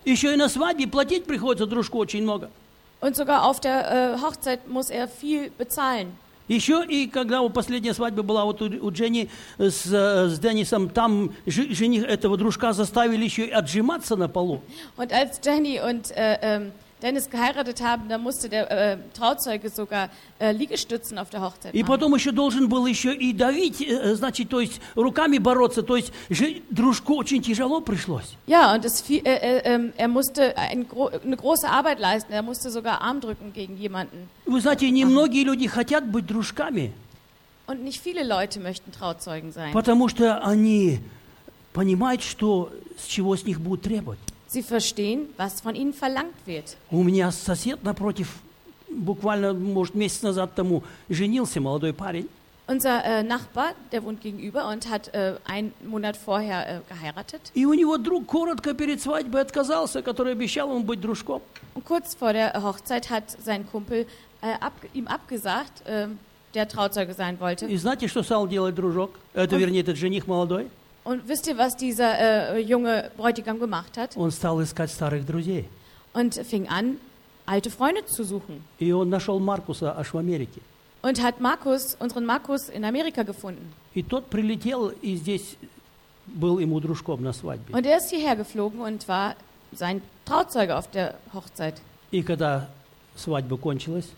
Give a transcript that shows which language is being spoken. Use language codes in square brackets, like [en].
[ru] Еще и на свадьбе платить приходится дружку очень много. [de] Und sogar auf der Hochzeit muss er viel bezahlen. [ru] Еще и когда последняя свадьба была вот у Дженни с Деннисом, там жених этого дружка заставили еще и отжиматься на полу. [de] Und als Jenny und Dennis geheiratet haben, da musste der Trauzeuge sogar Liegestützen auf der Hochzeit machen. [ru] И потом еще должен был еще и давить, значит, то есть руками бороться, то есть дружку очень тяжело пришлось. [de] Ja, und es fiel, er musste eine große Arbeit leisten, er musste sogar Arm drücken gegen jemanden. [ru] Вы знаете, немногие люди хотят быть дружками. [de] Und nicht viele Leute möchten Trauzeugen sein. [ru] Потому что они понимают, что с чего с них будут требовать. [de] Sie verstehen, was von ihnen verlangt wird. [ru] У меня сосед напротив, буквально, может, месяц назад тому, женился молодой парень. [de] Unser Nachbar, der wohnt gegenüber und hat einen Monat vorher geheiratet. [ru] И у него друг коротко перед свадьбой отказался, который обещал ему быть дружком. [de] Und kurz vor der Hochzeit hat sein Kumpel ihm abgesagt, der Trauzeuge sein wollte. [ru] И знаете, что стал делать дружок? Это, вернее, этот жених молодой? [de] Und wisst ihr, was dieser junge Bräutigam gemacht hat? [ru] Он стал искать старых друзей. [de] Und fing an, alte Freunde zu suchen. [ru] И он нашел Маркуса аж в Америке. [de] Und hat Markus, unseren Markus in Amerika gefunden. [ru] И тот прилетел и здесь был ему дружком на свадьбе. [de] Und er ist hierher geflogen und war sein Trauzeuge auf der Hochzeit. [ru] И когда свадьба кончилась?